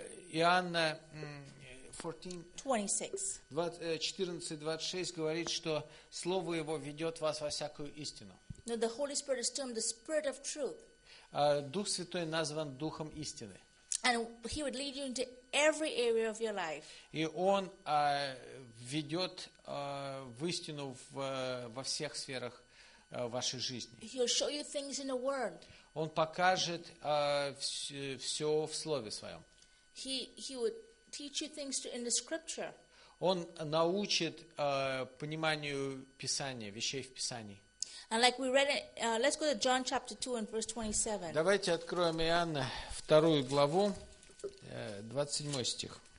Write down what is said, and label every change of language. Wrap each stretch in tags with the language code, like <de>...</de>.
<ru>Иоанна 14:26 говорит, что Слово Его ведет вас во всякую истину.</ru> <en>No, the Holy Spirit is termed the Spirit of Truth.</en> <ru>Дух Святой назван Духом Истины.</ru> <en>And He would lead you into every area of your life.</en> <ru>И Он ведет в истину во всех сферах вашей жизни.</ru> <en>He'll show you things in the Word.</en> <ru>Он покажет все в Слове Своем.</ru> <en>He would teach you things in the Scripture.</en> <ru>Он научит пониманию Писания, вещей в Писании.</ru> <en>And like we read it, let's go to John chapter 2 and verse 27.</en> <ru>Давайте откроем Иоанна 2 главу, 27 стих.</ru>